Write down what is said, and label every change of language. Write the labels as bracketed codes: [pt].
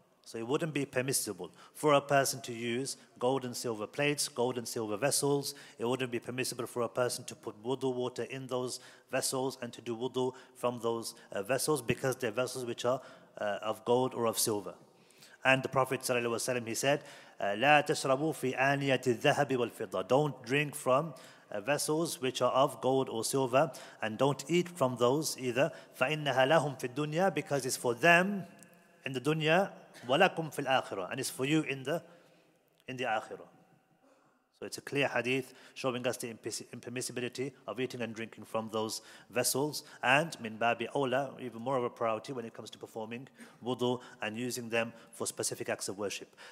[en] So it wouldn't be permissible for a person to use gold and silver plates, gold and silver vessels. It wouldn't be permissible for a person to put wudu water in those vessels and to do wudu from those vessels, because they're vessels which are of gold or of silver. [ar] And the Prophet ﷺ, he said, لَا تَشْرَبُوا فِي آنِيَةِ الذَّهَبِ وَالْفِضَّةِ. [en] Don't drink from vessels which are of gold or silver, and don't eat from those either. [ar] فَإِنَّهَا لَهُمْ فِي الدُّنْيَا, [en] because it's for them in the dunya, [ar] وَلَكُمْ فِي الْآخِرَةِ, [en] and it's for you in the akhirah. So it's a clear hadith showing us the impermissibility of eating and drinking from those vessels, and [ar] min babi awla, [en] even more of a priority when it comes to performing wudu and using them for specific acts of worship.